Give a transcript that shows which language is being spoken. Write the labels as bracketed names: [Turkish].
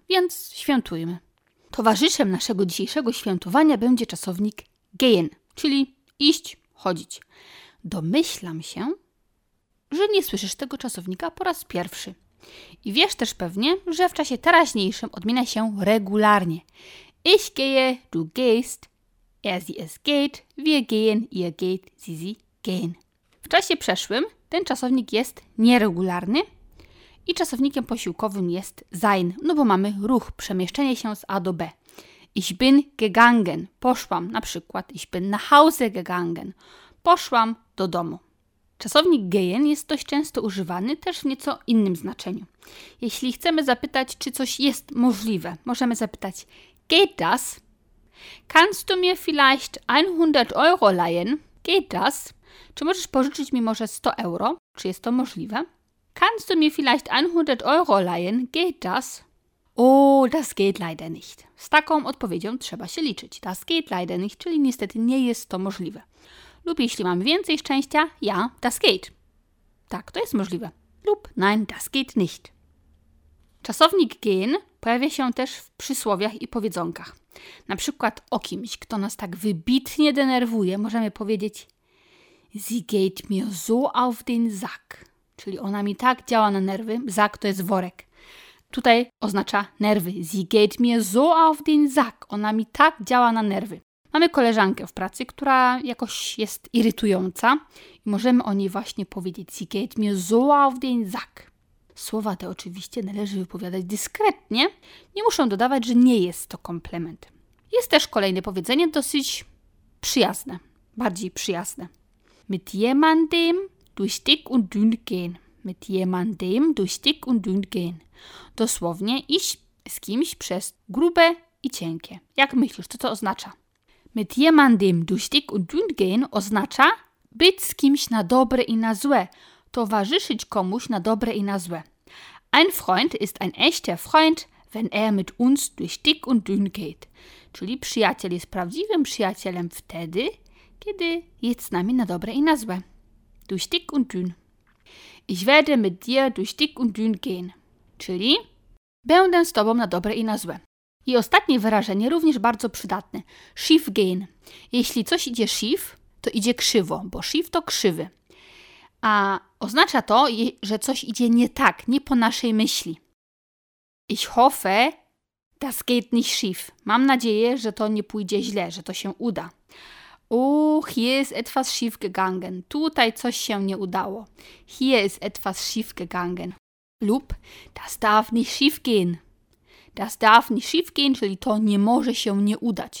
[Polish] Więc świętujmy. Towarzyszem naszego dzisiejszego świętowania będzie czasownik gehen, czyli iść, chodzić. Domyślam się, że nie słyszysz tego czasownika po raz pierwszy. I wiesz też pewnie, że w czasie teraźniejszym odmienia się regularnie. [German] Ich gehe, du gehst, er, sie, es geht, wir gehen, ihr geht, sie, sie gehen. [Polish] W czasie przeszłym ten czasownik jest nieregularny i czasownikiem posiłkowym jest sein, no bo mamy ruch, przemieszczenie się z A do B. [German] Ich bin gegangen, [Polish] poszłam, na przykład [German] ich bin nach Hause gegangen, [Polish] poszłam do domu. Czasownik gehen jest dość często używany też w nieco innym znaczeniu. Jeśli chcemy zapytać, czy coś jest możliwe, możemy zapytać [German] geht das? Kannst du mir vielleicht 100 euro leihen? Geht das? [Polish] Czy możesz pożyczyć mi może 100 euro? Czy jest to możliwe? [German] Kannst du mir vielleicht 100 euro leihen? Geht das? Oh, das geht leider nicht. [Polish] Z taką odpowiedzią trzeba się liczyć. [German] Das geht leider nicht, [Polish] czyli niestety nie jest to możliwe. Lub jeśli mam więcej szczęścia, [German] ja, das geht. [Polish] Tak, to jest możliwe. Lub [German] nein, das geht nicht. [Polish] Czasownik gehen pojawia się też w przysłowiach i powiedzonkach. Na przykład o kimś, kto nas tak wybitnie denerwuje, możemy powiedzieć [German] Sie geht mir so auf den Sack. [Polish] Czyli ona mi tak działa na nerwy. Sack to jest worek. Tutaj oznacza nerwy. [German] Sie geht mir so auf den Sack. [Polish] Ona mi tak działa na nerwy. Mamy koleżankę w pracy, która jakoś jest irytująca. I możemy o niej właśnie powiedzieć. [German] Sie geht mir so auf den Sack. [Polish] Słowa te oczywiście należy wypowiadać dyskretnie. Nie muszę dodawać, że nie jest to komplement. Jest też kolejne powiedzenie dosyć przyjazne. Bardziej przyjazne. [German] Mit jemandem durch dick und dünn gehen. Mit jemandem durch dick und dünn gehen. [Polish] Dosłownie iść z kimś przez grube i cienkie. Jak myślisz, co to oznacza? [German] Mit jemandem durch dick und dünn gehen [Polish] oznacza być z kimś na dobre i na złe. Towarzyszyć komuś na dobre i na złe. [German] Ein Freund ist ein echter Freund, wenn er mit uns durch dick und dünn geht. [Polish] Czyli przyjaciel jest prawdziwym przyjacielem wtedy, kiedy jest z nami na dobre i na złe. [German] Durch dick und dünn. Ich werde mit dir durch dick und dünn gehen. [Polish] Czyli będę z tobą na dobre i na złe. I ostatnie wyrażenie, również bardzo przydatne. [German] Schief gehen. [Polish] Jeśli coś idzie schief, to idzie krzywo, bo schief to krzywy. A oznacza to, że coś idzie nie tak, nie po naszej myśli. [German] Ich hoffe, das geht nicht schief. [Polish] Mam nadzieję, że to nie pójdzie źle, że to się uda. [German] Hier ist etwas schief gegangen. [Polish] Tutaj coś się nie udało. [German] Hier ist etwas schief gegangen. [Polish] Lub [German] das darf nicht schief gehen. Das darf nicht schief gehen, [Polish] czyli to nie może się nie udać.